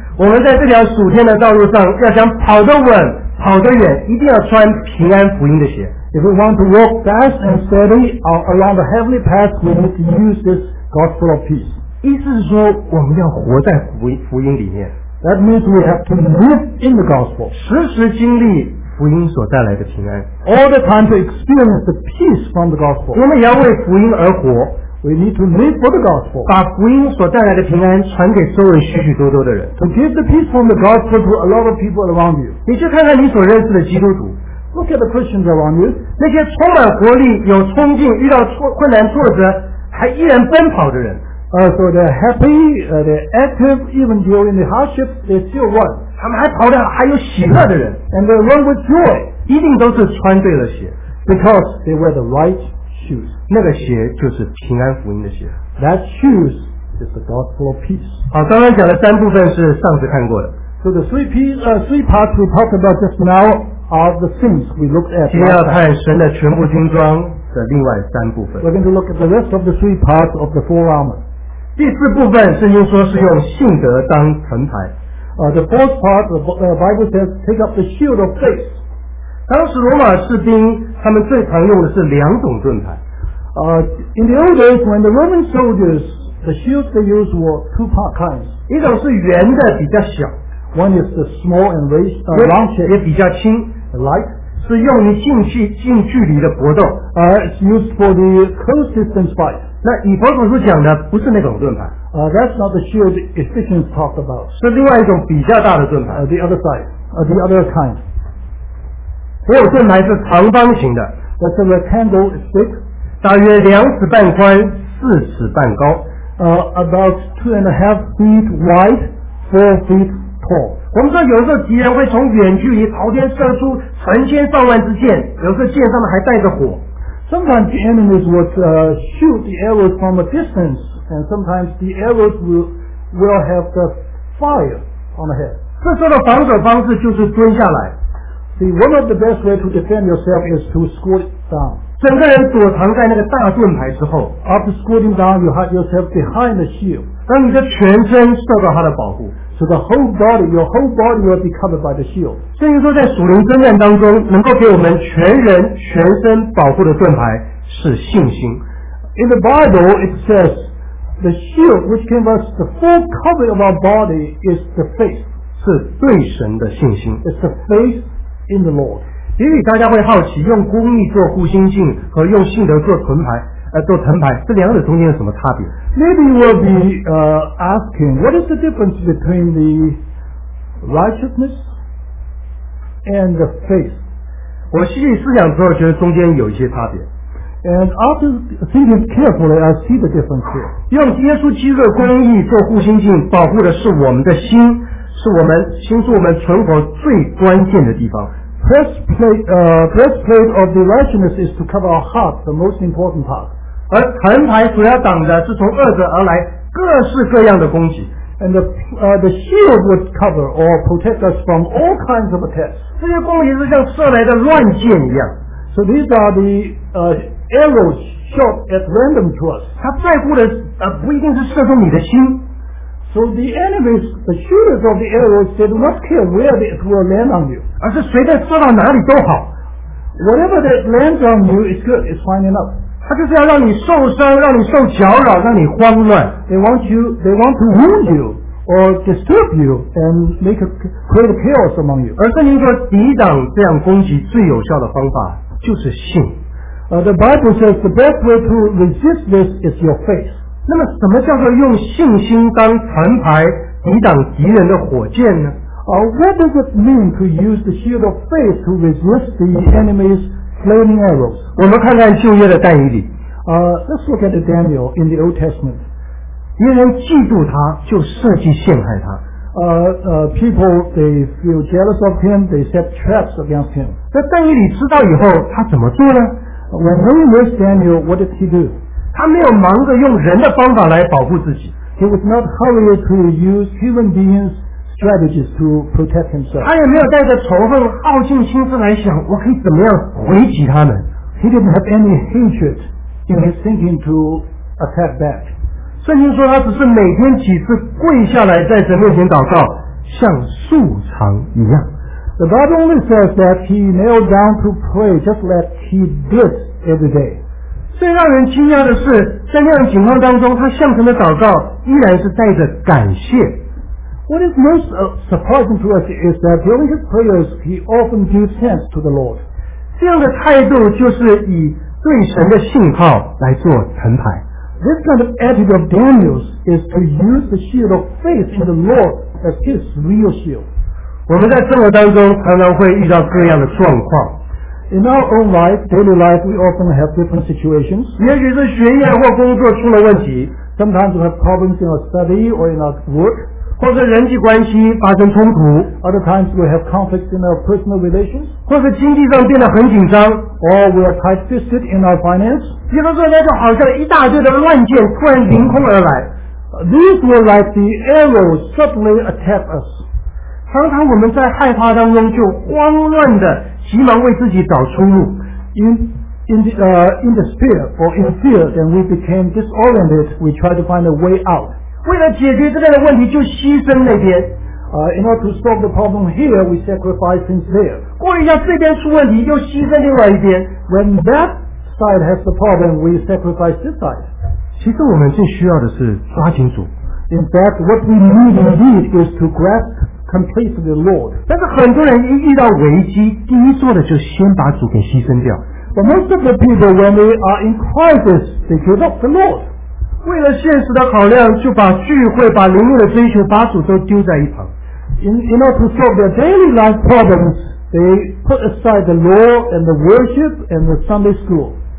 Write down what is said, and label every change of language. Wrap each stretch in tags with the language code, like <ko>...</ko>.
<zh>我们在这条属天的道路上，要想跑得稳、跑得远，一定要穿平安福音的鞋。</zh> <en>If we want to walk fast and steady along the heavenly path, we need to use this gospel of peace.</en> <zh>意思是说，我们要活在福音里面。</zh> <en>That means we have to live in the gospel.</en> <zh>时时经历。福音所带来的平安</zh> <en>All the time to experience the peace from the gospel</en> <zh>我们也要为福音而活</zh> <en>We need to live for the gospel</en> <zh>把福音所带来的平安传给周围许许多多的人</zh> <en>To give the peace from the gospel to a lot of people around you</en> <zh>你去看看你所认识的基督徒</zh> <en>Look at the Christians around you</en> <zh>那些充满活力有冲劲遇到困难挫折还依然奔跑的人</zh> <en>So they're happy, they're active even during the hardships they still run</en> <zh>他们还跑得还有喜乐的人</zh> <en>and they run with joy</en> <zh>一定都是穿对了鞋</zh> <en>because they wear the right shoes</en> <zh>那个鞋就是平安福音的鞋</zh> <en>that shoes is the gospel of peace</en> <zh>好刚刚讲的三部分是上次看过的</zh> <en>so the three parts we talked about just now are the things we looked at</en> <zh>今天要看神的全部军装的另外三部分</zh> <en>we're going to look at the rest of the three parts of the four armor</en> <zh>第四部分圣经说是用信德当盾牌</zh> <en>The fourth part, the Bible says, take up the shield of faith.</en> <zh>当时罗马士兵他们最常用的是两种盾牌。</zh> <en>In the old days, when the Roman soldiers, the shields they used were two part kinds.</en> <zh>一种是圆的比较小。</zh> <en>One is the small and long shield.</en> <zh>也比较轻。</zh> <en>Light.</en> <zh>是用于近距离的搏斗。</zh> <en>It's used for the close distance fight.</en> <zh>那以佛所书讲的不是那种盾牌。</zh> <en>That's not the shield Ephesians talked about.</en> <zh>是另外一种比较大的盾牌。</zh> <en>The other side. The other kind.</en> <zh>所有盾牌是长方形的。</zh> <en>That's a rectangle stick.</en> <zh>大约两尺半宽，四尺半高。</zh> <en>About 2.5 feet wide, 4 feet tall.</en> <zh>我们说有时候敌人会从远距离朝天射出成千上万支箭，有时候箭上面还带着火。</zh> <en>Sometimes the enemies would shoot the arrows from a distance. And sometimes the arrows will have the fire on the head.</en> <zh>这时候的防守方式就是蹲下来。</zh> <en>See, one of the best ways to defend yourself is to squat down.</en> <zh>整个人躲藏在那个大盾牌之后。</zh> <en>After squatting down, you hide yourself behind the shield.</en> <zh>当你的全身受到他的保护。</zh> <en>So the whole body, your whole body will be covered by the shield.</en> <zh>所以说在属灵征战当中能够给我们全人全身保护的盾牌是信心。</zh> <en>In the Bible, it says, the shield which gives us the full covering of our body is the faith.</en> <zh>是对神的信心。</zh> <en>It's the faith in the Lord.</en> <zh>也许大家会好奇用公义做护心镜和用信德做盾牌。做藤牌，这两者中间有什么差别？</zh> <en>Maybe you will be asking, what is the difference between the righteousness and the faith?</en> <zh>我心里思想之后觉得中间有一些差别。</zh> <en>And after thinking carefully, I see the difference here.</en> <zh>用耶稣基督的公义做护心镜，保护的是我们的心，是我们心是我们存活最关键的地方。</zh> <en>Breastplate of the righteousness is to cover our heart, the most important part.</en> <zh>而藤牌所要挡的是从恶者而来各式各样的攻击</zh> <en>and the shield would cover or protect us from all kinds of attacks</en> <zh>这些攻击是像射来的乱箭一样</zh> <en>so these are the arrows shot at random to us</en> <zh>他在乎的不一定是射中你的心</zh> <en>so the enemies, the shooters of the arrows they do not care where it will land on you</en> <zh>而是随便射到哪里都好</zh> <en>whatever that lands on you is good, it's fine enough</en> <zh>他就是要让你受伤，让你受搅扰，让你慌乱。</zh> <en>They want to wound you or disturb you and create a chaos among you.</en> <zh>而圣经说，抵挡这样攻击最有效的方法就是信。</zh> <en>The Bible says the best way to resist this is your faith.</en> <zh>那么，什么叫做用信心当盾牌，抵挡敌人的火箭呢？</zh> <en>What does it mean to use the shield of faith to resist the enemy's flaming arrows.</en> <zh>我们看看旧约的但以理。</zh> <en>Let's look at Daniel in the Old Testament.</en> <zh>敌人嫉妒他，就设计陷害他。</zh> <en>People they feel jealous of him, they set traps against him.</en> <zh>在但以理知道以后，他怎么做呢</zh> <en>？When he was Daniel, what did he do?</en> <zh>他没有忙着用人的方法来保护自己。</zh> <en>He was not hurried to use human beings. Strategies to protect himself.</en> <zh>他也没有带着仇恨、好胜心思来想，我可以怎么样回击他们。</zh> <en>He didn't have any hatred in his thinking to attack back.</en> <zh>圣经说他只是每天几次跪下来在神面前祷告，像素常一样。</zh> <en>The Bible only says that he knelt down to pray just like he did every day.</en> <zh>最让人惊讶的是，在那样情况当中，他向神的祷告依然是带着感谢。</zh> <en>What is most surprising to us is that during his prayers, he often gives thanks to the Lord.</en> <zh>这样的态度就是以对神的信号来做藤牌。</zh> <en>This kind of attitude of Daniel's is to use the shield of faith in the Lord as his real shield.</en> <zh>我们在生活当中常常会遇到各样的状况。</zh> <en>In our own life, daily life, we often have different situations.</en> <zh>也许是学业或工作出了问题。</zh> <en>Sometimes we have problems in our study or in our work.</en> <zh>或者人际关系发生冲突</zh> <en>Other times we have conflicts in our personal relations</en> <zh>或者经济上变得很紧张</zh> <en>Or we are tight-fisted in our finance</en> <zh>比如说那就好像一大堆的乱箭突然凌空而来</zh> <en>These were like the arrows suddenly attack us</en> <zh>常常我们在害怕当中就慌乱的急忙为自己找出路</zh> <en>In despair or in fear then we became disoriented we tried to find a way out</en> <zh>为了解决这边的问题就牺牲那边</zh> <en>In order to solve the problem here we sacrifice things there</en> <zh>过一下这边出问题就牺牲另外一边</zh> <en>When that side has the problem we sacrifice this side</en> <zh>其实我们最需要的是抓紧主</zh> <en>In fact what we need indeed is to grasp completely the Lord</en> <zh>但是很多人一遇到危机第一做的就先把主给牺牲掉</zh> <en>But most of the people when they are in crisis they give up the Lord</en> <zh>为了现实的考量就把聚会把灵命的追求把主都丢在一旁</zh> <en>in order to solve their daily life problems they put aside the law and the worship and the Sunday school</en>